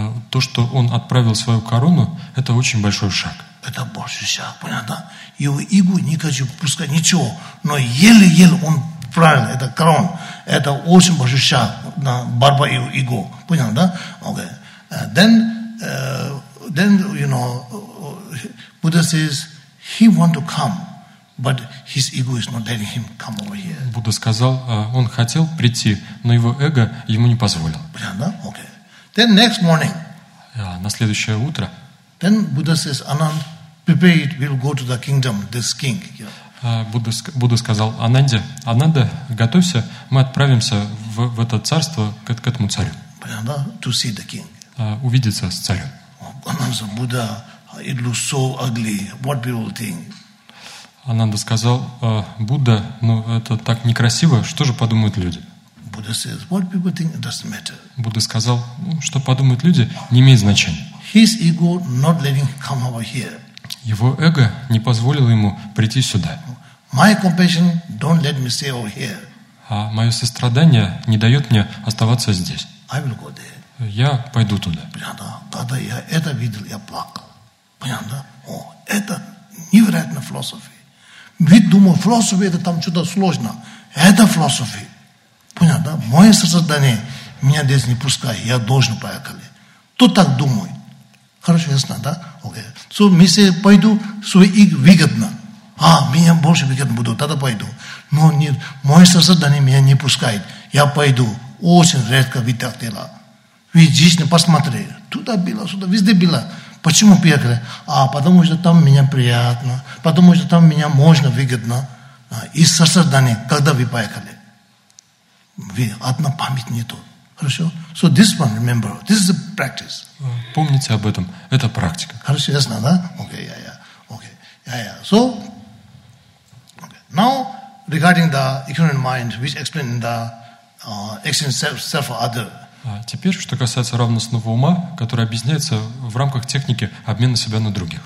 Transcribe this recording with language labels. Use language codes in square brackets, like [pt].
[ru] То, что он отправил свою корону, это очень большой шаг. Это большой шаг, понятно? Его иго не хочу пускать ничего, но еле-еле он отправил этот корон. Это очень большой шаг на борьбу его иго, понятно, да? [en] Okay. Then you know, Buddha says he want to come, but his ego is not letting him come over here. [ru] Будда сказал, он хотел прийти, но его эго ему не позволило. Понятно, да? [en] Okay. Then next morning. [ru] На следующее утро. [en] Then Buddha says, Anand, prepare it, we'll go to the kingdom, this king. [ru] Будда сказал, Ананде, Ананда, готовься, мы отправимся в это царство, к этому царю. Понятно? [en] To see the king. [ru] Увидеться с царем. Ананда сказал, Будда, [en] it looks so ugly, what people think? [ru] Ананда сказал, Будда, ну это так некрасиво, что же подумают люди? [en] Buddha says, what people think doesn't matter. [ru] Будда сказал, ну, что подумают люди, не имеет значения. [en] His ego not letting him come over here. [ru] Его эго не позволило ему прийти сюда. [en] My compassion don't let me stay over here. [ru] А мое сострадание не дает мне оставаться здесь. [en] I will go there. [ru] Я пойду туда. Понятно? Когда я это видел, я плакал. Понятно? О, это невероятная философия. Ведь думал, философия это там что-то сложное. Это философия. Понятно, да? Мое сострадание меня здесь не пускает, я должен поехать. Кто так думает? Хорошо, ясно, да? Окей. So, если пойду, свой иг выгодно. А, меня больше выгодно буду, тогда пойду. Но нет, мое сострадание меня не пускает. Я пойду. Очень редко ведь так дела. Ведь жизнь посмотри. Туда била, сюда, везде била. Почему приехали? А, потому что там меня приятно. Потому что там меня можно выгодно. И сострадание, когда вы поехали? Вы одна память не то. Хорошо? [en] So this one, remember, this is a practice. [ru] Помните об этом. Это практика. Хорошо, ясно, да? [en] Okay, yeah, yeah. Okay, yeah, yeah. So, okay. Now, regarding the ignorant mind, which explains the action self or other. [ru] Теперь, что касается равностного ума, который объясняется в рамках техники обмена себя на других.